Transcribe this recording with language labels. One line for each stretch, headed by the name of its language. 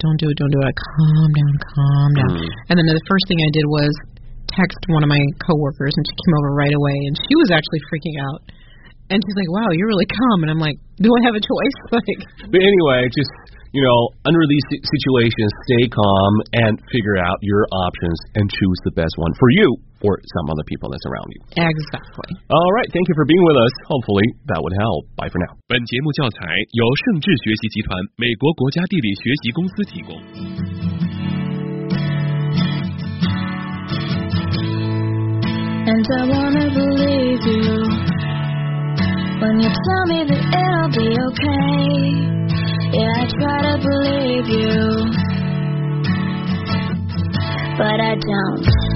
English: Calm down. Mm. And then the first thing I did was text one of my coworkers, and she came over right away, and she was actually freaking out. And she's like, wow, you're really calm. And I'm like, do I have a choice? Like, but anyway, just, you know, under these situations, stay calm and figure out your options and choose the best one for you or some other people that's around you. Exactly. All right. Thank you for being with us. Hopefully that would help. Bye for now.
Chinese: 本节目教材由盛智学习集团美国国家地理学习公司提供。
English: And I wanna believe you when you tell me that it'll be okay. Yeah, I try to believe you, but I don't.